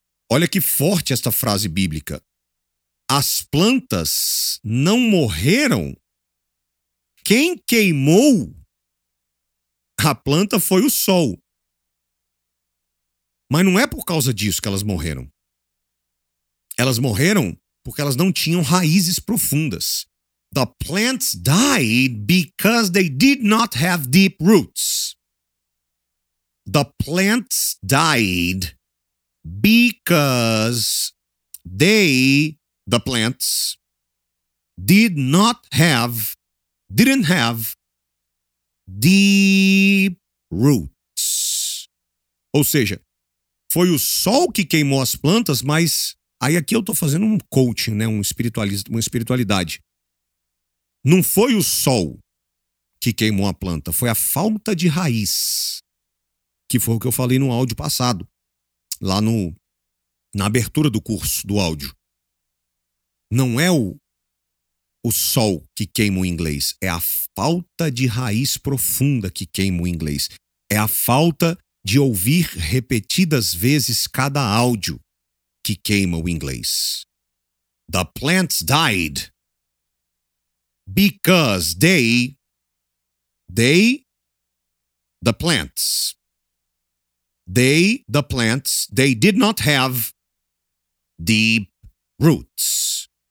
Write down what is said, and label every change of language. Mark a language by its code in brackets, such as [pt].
[pt] Olha que forte esta frase bíblica. As plantas não morreram. Quem queimou a planta foi o sol. Mas não é por causa disso que elas morreram. Elas morreram porque elas não tinham raízes profundas. [en] The plants died because they did not have deep roots. the plants died because the plants didn't have deep roots. [pt] Ou seja, foi o sol que queimou as plantas, mas aí aqui eu tô fazendo um coaching, né? Uma espiritualidade. Não foi o sol que queimou a planta, foi a falta de raiz. Que foi o que eu falei no áudio passado, lá no, na abertura do curso, do áudio. Não é o sol que queima o inglês, é a falta de raiz profunda que queima o inglês. É a falta de ouvir repetidas vezes cada áudio que queima o inglês. [en] The plants died because they did not have deep roots.